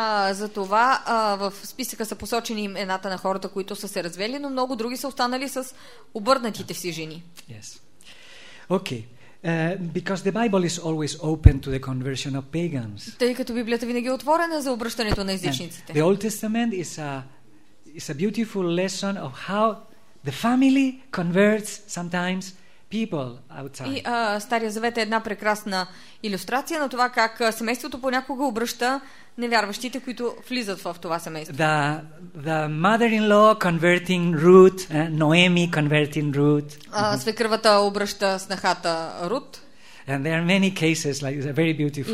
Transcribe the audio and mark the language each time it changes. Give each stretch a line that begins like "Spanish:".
Bulgarian: Затова в списъка са посочени имената на хората, които са се развели, но много други са останали с обърнатите си жени.
English: Yes. Okay. Because the Bible is always open to the conversion of pagans.
Bulgarian: Тъй като Библията винаги е отворена за обръщането на езичниците.
English: The Old Testament is a beautiful lesson of how the family converts sometimes people outside.
Bulgarian: И Стария Завет е една прекрасна илюстрация на това как семейството понякога обръща невярващите, които влизат в това семейство.
English: The mother-in-law converting Ruth, Noemi converting Ruth.
Bulgarian: Свекървата обръща снахата Рут.
English: And there are many cases like a very beautiful